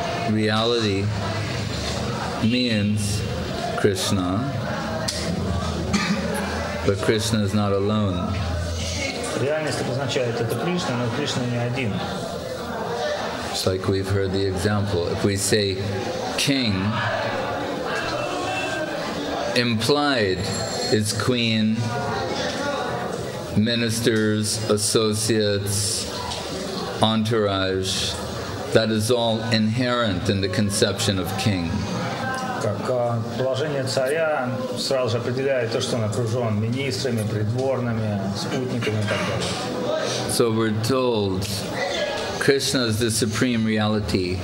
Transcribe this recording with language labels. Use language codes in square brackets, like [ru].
[en] Reality means Krishna, but Krishna is not alone. [ru] Реальность обозначает это Кришна, но Кришна не один. [en] It's like we've heard the example. If we say king, implied is queen, ministers, associates, entourage. That is all inherent in the conception of king. [ru] Как положение царя сразу же определяет то, что он окружен министрами, придворными, спутниками и так далее. [en] So we're told Krishna is the supreme reality.